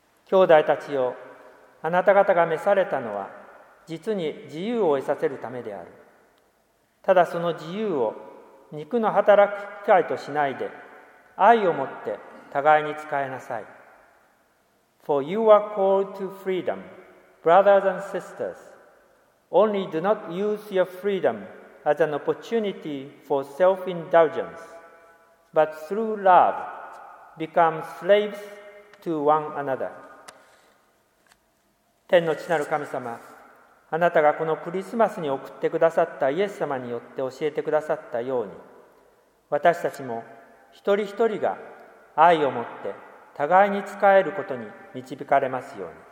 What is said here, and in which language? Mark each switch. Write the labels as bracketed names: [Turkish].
[Japanese] 兄弟たちよ、あなた方が召されたのは実に自由を得させるためである。ただその自由を肉の働く機会としないで、愛をもって互いに仕えなさい。 [English] For you are called to freedom, brothers and sistersOnly do not use your freedom as an opportunity for self-indulgence, but through love, become slaves to one another. [Japanese] 天の父なる神様、あなたがこのクリスマスに送ってくださったイエス様によって教えてくださったように、私たちも一人一人が愛を持って互いに仕えることに導かれますように。